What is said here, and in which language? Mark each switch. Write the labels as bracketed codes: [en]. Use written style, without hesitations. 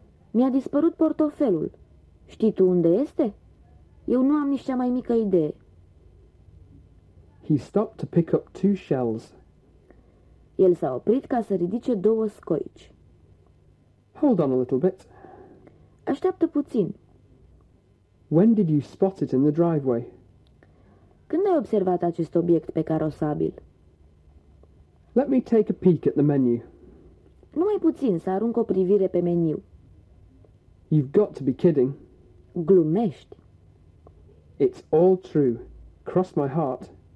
[ro] Mi-a dispărut portofelul. Știi tu unde este? Eu nu am nici cea mai mică idee. [en] He stopped to pick up two shells. [ro] El s-a oprit ca să ridice două scoici. [en] Hold on a little bit. [ro] Așteaptă puțin. [en] When did you spot it in the driveway? [ro] Când ai observat acest obiect pe carosabil? [en] Let me take a peek at the menu. [ro] Numai puțin să arunc o privire pe meniu. [en] You've got to be kidding. [ro] Glumești. [en] It's all true. Cross my heart.